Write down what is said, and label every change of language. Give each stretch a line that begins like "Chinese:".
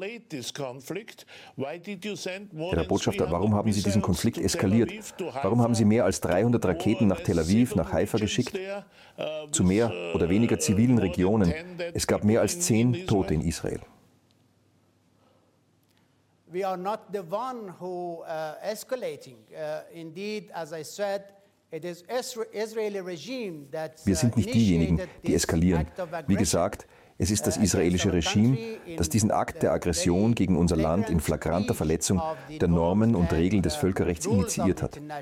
German: Herr Botschafter, warum haben Sie diesen Konflikt eskaliert? Warum haben Sie mehr als 300 Raketen nach Tel Aviv, nach Haifa geschickt? Zu mehr oder weniger zivilen Regionen. Es gab mehr als 10 Tote in Israel.
English: We are not the one who escalating. Indeed, as I said,
German: wir sind nicht diejenigen, die eskalieren. Wie gesagt, es ist das israelische Regime, das diesen Akt der Aggression gegen unser Land in flagranter Verletzung der Normen und Regeln des Völkerrechts initiiert hat.